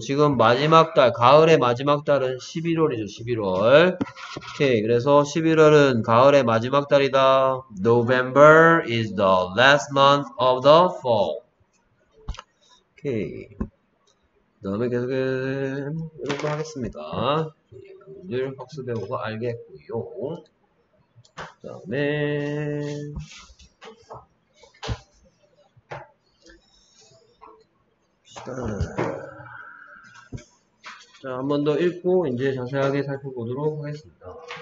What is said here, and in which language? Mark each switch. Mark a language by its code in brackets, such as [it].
[ko] 지금 마지막 달, 가을의 마지막 달은 11월이죠. 11월. Okay, 그래서 11월은 가을의 마지막 달이다. [en] November is the last month of the fall. Okay. [ko] 다음에 계속 이렇게 하겠습니다. 오늘 학습해보고 알겠고요. 다음에 자 한 번 더 읽고 이제 자세하게 살펴보도록 하겠습니다.